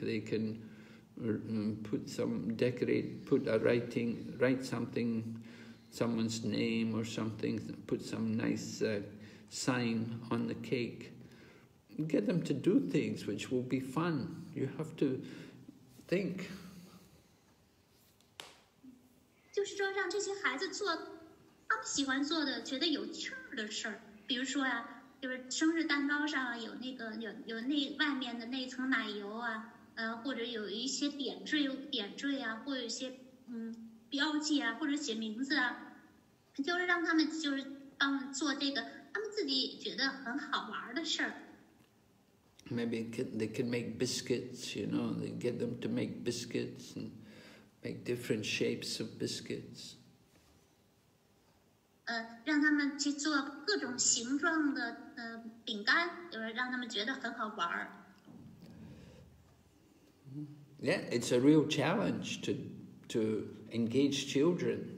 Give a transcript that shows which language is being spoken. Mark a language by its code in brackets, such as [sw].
[en] They can write something, someone's name or something, put some nice sign on the cake. Get them to do things which will be fun. You have to think. [zh] 就是说让这些孩子做他们喜欢做的觉得有趣的事儿，比如说啊，就是生日蛋糕上有那个有那外面的那层奶油啊，或者有一些点缀啊，或有一些标记啊，或者写名字啊，就是让他们就是帮做这个他们自己觉得很好玩的事儿。 [en] Maybe they can make biscuits, you know, they get them to make biscuits and make different shapes of biscuits. Yeah, it's a real challenge to engage children.